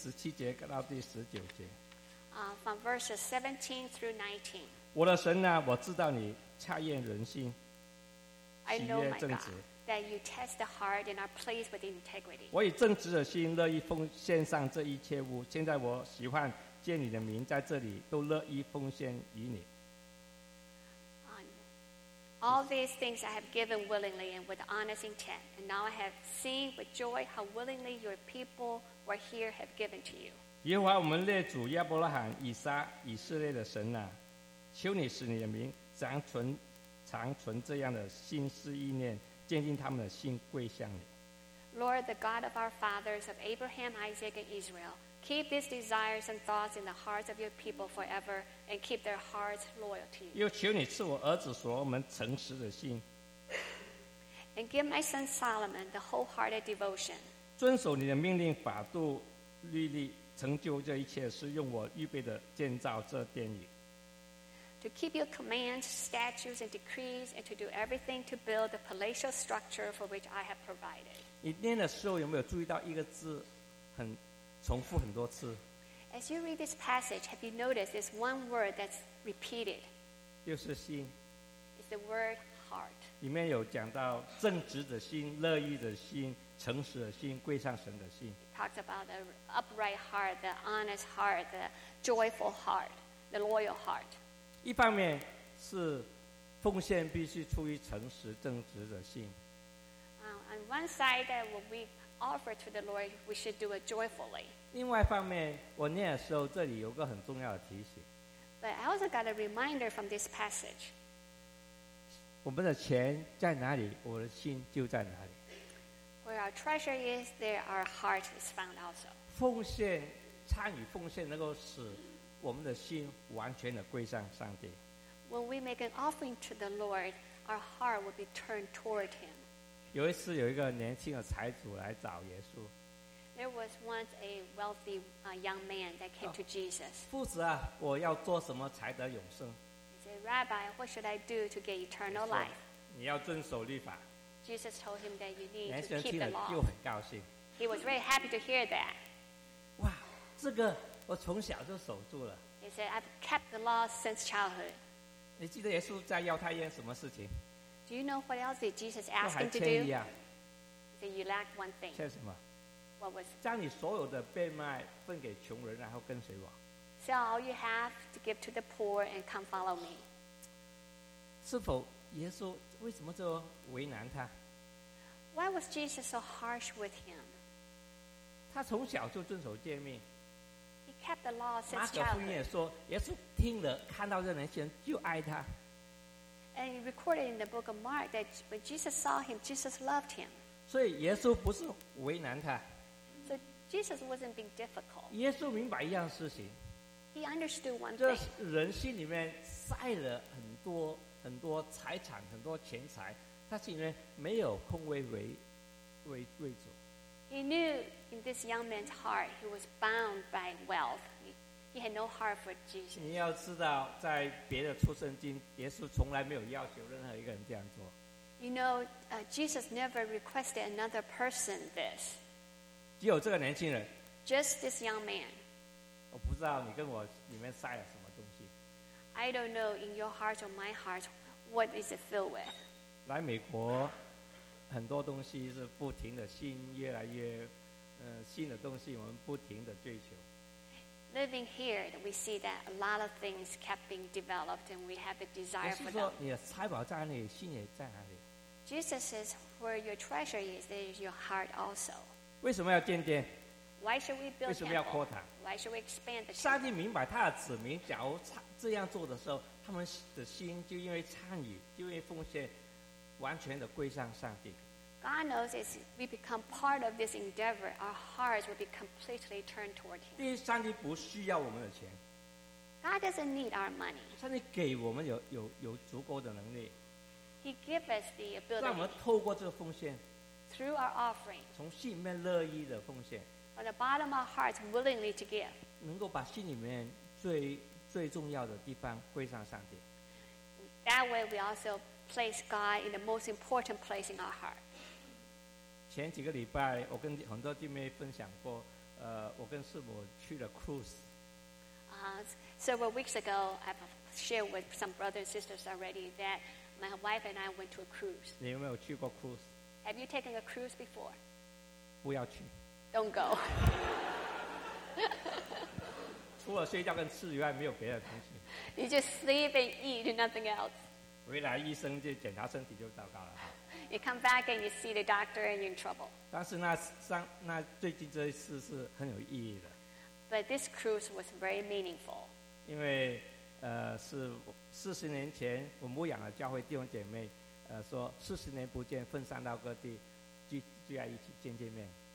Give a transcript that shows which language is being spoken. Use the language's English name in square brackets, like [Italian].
[Chinese] 大卫的祷文当中，第三点是非常重要，第17节到第19节。 [English] From verses 17 through 19. [Chinese] 我的神啊，我知道你察验人心， 喜悦正直。 [English] I know my God. That you test the heart and are pleased with integrity. [Chinese] 我以正直的心乐意奉献上这一切物， 现在我喜欢借你的名在这里， 都乐意奉献于你。 [English] All these things I have given willingly and with honest intent, and now I have seen with joy how willingly your people were here have given to you. [Chinese] 耶和华我们列祖亚伯拉罕以撒以色列的神啊， 求你使你的名长存这样的心思意念， 坚定他们的心归向你。 [English] Lord, the God of our fathers, of Abraham, Isaac, and Israel, keep these desires and thoughts in the hearts of your people forever and keep their hearts loyal to you. [Chinese] 又求你赐我儿子所罗门诚实的心。 [English] And give my son Solomon the wholehearted devotion. [Chinese] 遵守你的命令法度律例， 成就这一切事， 用我预备的建造这殿宇。 [English] To keep your commands, statutes, and decrees, and to do everything to build the palatial structure for which I have provided. [Chinese] 你念的时候有没有注意到一个字很重复很多次？ [English] As you read this passage, have you noticed this one word that's repeated? [Chinese] 就是心。 [English] It's the word heart. [Chinese] 里面有讲到正直的心、乐意的心、诚实的心、归向神的心。 [English] It talks about the upright heart, the honest heart, the joyful heart, the loyal heart. [Chinese] 一方面是奉献必须出于诚实正直的心。 [English] On one side, that when we offer to the Lord, we should do it joyfully. [Chinese] 另外一方面，我念的时候，这里有个很重要的提醒。 [English] But I also got a reminder from this passage. [Chinese] 我们的钱在哪里，我的心就在哪里。 [English] Where our treasure is, there our heart is found also. [Chinese] 奉献，参与奉献，能够使我们的心完全的归向上帝。 [English] When we make an offering to the Lord, our heart will be turned toward Him. [Chinese] 有一次，有一个年轻的财主来找耶稣。 [English] There was once a wealthy young man that came to Jesus. [Chinese] 夫子啊，我要做什么才得永生？ [English] He said, Rabbi, what should I do to get eternal life? [Chinese] 你要遵守律法。 [English] Jesus told him that you need to keep the law. [Chinese] 年轻人听了又很高兴。 [English] He was very happy to hear that. [Chinese] 哇，这个我从小就守住了。 [English] He said, I've kept the law since childhood. [Chinese] 你记得耶稣在犹太什么事情？ [English] Do you know what else did Jesus ask him to do? [Chinese] 还欠一样。 [English] You lack one thing. [Chinese] 欠什么？ [English] What was, [Chinese] 将你所有的被卖分给穷人，然后跟随我。 [English] Sell all you have to give to the poor and come follow me. [Chinese] 是否耶稣为什么这么为难他？ [English] Why was Jesus so harsh with him? [Chinese] 他从小就遵守诫命。 [English] He kept the law since childhood. [Chinese] 马可福音也说，耶稣听了看到这年轻人就爱他。 [English] And recorded in the book of Mark that when Jesus saw him, Jesus loved him. [Chinese] 所以耶稣不是为难他。 [English] Jesus wasn't being difficult. [Chinese] 耶稣明白一样事情。 [English] He understood one thing. [Chinese] 这人心里面塞了很多很多财产，很多钱财，他心里面没有空位为主。 [English] He knew in this young man's heart he was bound by wealth. He had no heart for Jesus. [Chinese] 你要知道，在别的出生经，耶稣从来没有要求任何一个人这样做。 [English] You know, Jesus never requested another person this. [Chinese] 只有这个年轻人。 [English] Just this young man. [Chinese] 我不知道你跟我里面塞了什么东西。 [English] I don't know in your heart or my heart what is it filled with. [Chinese] 来美国，很多东西是不停的新，越来越，新的东西我们不停的追求。 [English] Living here, we see that a lot of things kept being developed, and we have the desire for them. [Chinese] 耶稣说，你的财宝在哪里，心也在哪里。 [English] Jesus says, where your treasure is, there is your heart also. [Chinese] 为什么要建殿？ [English] Why should we build [Chinese] 为什么要扩坛？ [English] Why should we expand the [Chinese] 上帝明白他的子民假如这样做的时候，他们的心就因为参与，就因为奉献，完全的归向上帝。 [English] God knows if we become part of this endeavor, our hearts will be completely turned toward him. [Chinese] 第一，上帝不需要我们的钱。 [English] God doesn't need our money. [Chinese] 上帝给我们 有足够的能力。 [English] He gives us the ability. [Chinese] 让我们透过这个奉献 [English] Through our offering, [Chinese] 从心里面乐意的奉献 [English] from the bottom of our hearts willingly to give, [Chinese] 能够把心里面最重要的地方归上上帝。 [English] That way, we also place God in the most important place in our heart. [Chinese] 前几个礼拜，我跟很多弟妹分享过，我跟师母去了 cruise. [English] Several weeks ago, I've shared with some brothers and sisters already that my wife and I went to a cruise. [Chinese] 你有没有去过 cruise? [English] Have you taken a cruise before? [Chinese] 不要去。 [English] Don't go. [Chinese] 除了睡觉跟吃以外，没有别的东西。 [English] You just sleep and eat and nothing else. [Chinese] 回来医生就检查身体就糟糕了。 [English] You come back and you see the doctor and you're in trouble. [Chinese] 但是那最近这一次是很有意义的。 [English] But this cruise was very meaningful. [Chinese] 因为是四十年前我牧养的教会弟兄姐妹。说四十年不见，分散到各地，聚在一起见见面。